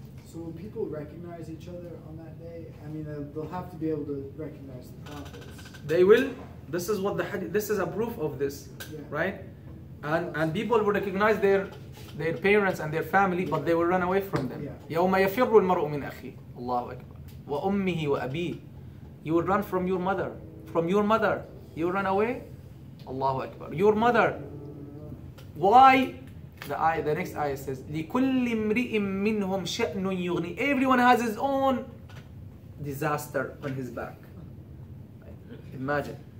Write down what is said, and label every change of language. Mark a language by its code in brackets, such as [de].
[en] So when people recognize each other on that day, I mean, they'll have to be able to recognize the prophets. They will. This is what the hadith, this is a proof of this, yeah. Right? And people will recognize their parents and their family, yeah. But they will run away from them. [ar] يَوْمَ يَفِرُّ الْمَرْءُ مِنْ أَخِيهِ Allahu Akbar. [en] وَأُمِّهِ وَأَبِيهِ You will run from your mother. From your mother. You will run away? Allahu Akbar. Your mother. Why? The next ayah says, لِكُلِّ امْرِئٍ مِّنْهُمْ شَأْنٌ يُغْنِي Everyone has his own disaster on his back. Imagine.